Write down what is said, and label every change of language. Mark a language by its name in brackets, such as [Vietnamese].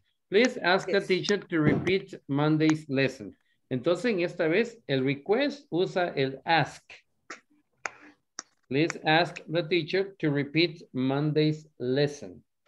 [English] Please ask the teacher to repeat Monday's lesson. [Spanish] Entonces, en esta vez, el request usa el ask. [English] Please ask the teacher to repeat Monday's lesson.